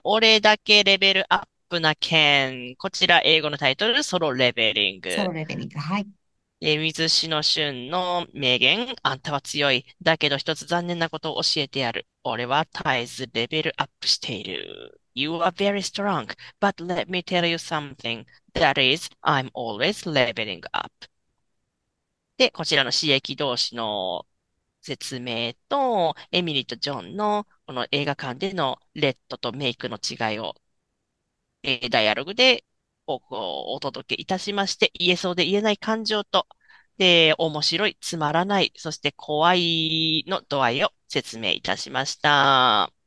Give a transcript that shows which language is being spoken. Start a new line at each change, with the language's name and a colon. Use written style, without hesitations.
Japanese: 俺だけレベルアップな件、こちら英語のタイトル、ソロレベリング。ソロレベリング、はい。水志の俊の名言、あんたは強い。だけど一つ残念なことを教えてやる。俺は絶えずレベルアップしている。
English: You are very strong, but let me tell you something. That is, I'm always leveling up.
Japanese: で、こちらの使役同士の説明と、エミリーとジョンのこの映画館でのレッドとメイクの違いを、ダイアログでお届けいたしまして、言えそうで言えない感情と、で、面白い、つまらない、そして怖いの度合いを説明いたしました。